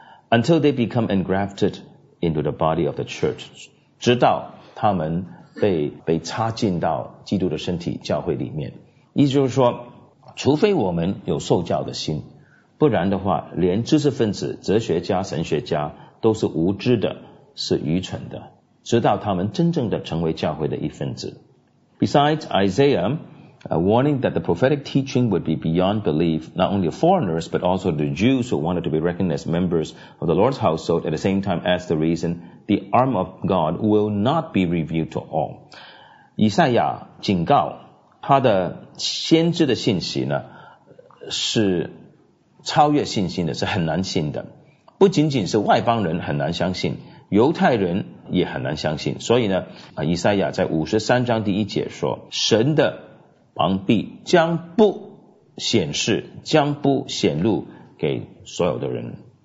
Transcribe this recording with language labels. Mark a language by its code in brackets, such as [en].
[en] Until they become engrafted into the body of the church， [zh] 直到他们被插进到基督的身体教会里面。意思就是说，除非我们有受教的心，不然的话连知识分子、哲学家、神学家都是无知的，是愚蠢的，直到他们真正的成为教会的一份子。 [en] Besides Isaiah, a warning that the prophetic teaching would be beyond belief, not only of foreigners, but also the Jews who wanted to be recognized as members of the Lord's household, at the same time as the reason the arm of God will not be revealed to all. [zh] 以赛亚警告他的先知的信息呢，是超越信心的，是很难信的，不仅仅是外邦人很难相信，犹太人也很难相信。所以呢，以赛亚在53章第一节说，神的膀臂将不显示，将不显露给所有的人。